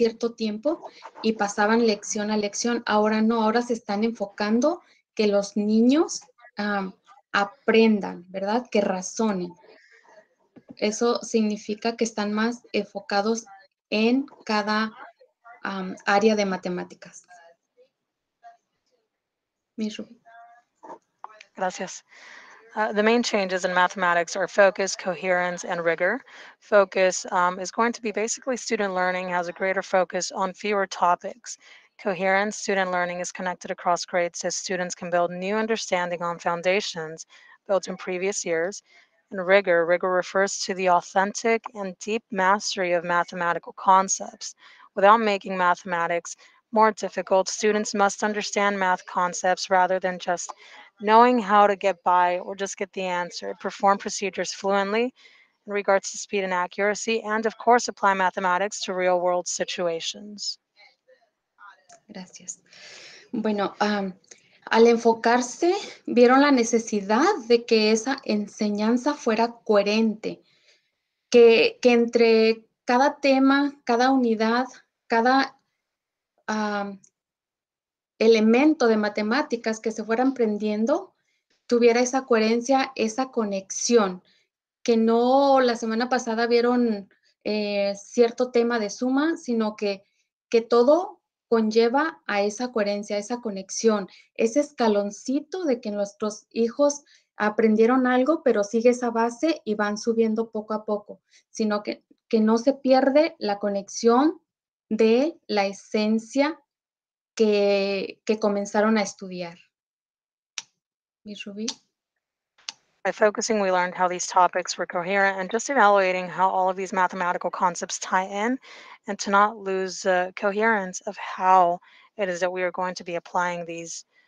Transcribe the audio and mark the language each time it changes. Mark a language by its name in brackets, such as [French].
[Spanish] Cierto tiempo, y pasaban lección a lección. Ahora no, ahora se están enfocando que los niños aprendan, ¿verdad? Que razonen. Eso significa que están más enfocados en cada área de matemáticas. Gracias. [English] The main changes in mathematics are focus, coherence, and rigor. Focus is going to be basically student learning has a greater focus on fewer topics. Coherence, student learning is connected across grades as students can build new understanding on foundations built in previous years. And rigor refers to the authentic and deep mastery of mathematical concepts. Without making mathematics more difficult, students must understand math concepts rather than just knowing how to get by or just get the answer, perform procedures fluently in regards to speed and accuracy, and of course, apply mathematics to real world situations. [Spanish] Gracias. Bueno, al enfocarse, vieron la necesidad de que esa enseñanza fuera coherente, que entre cada tema, cada unidad, cada elemento de matemáticas que se fuera aprendiendo, tuviera esa coherencia, esa conexión, que no la semana pasada vieron cierto tema de suma, sino que todo conlleva a esa coherencia, a esa conexión, ese escaloncito de que nuestros hijos aprendieron algo, pero sigue esa base y van subiendo poco a poco, sino que no se pierde la conexión de la esencia que comenzaron a estudiar. [English] Ms. Ruby. By focusing, we learned how these topics were coherent and just evaluating how all of these mathematical concepts tie in and to not lose the coherence of how it is that we are going to be applying these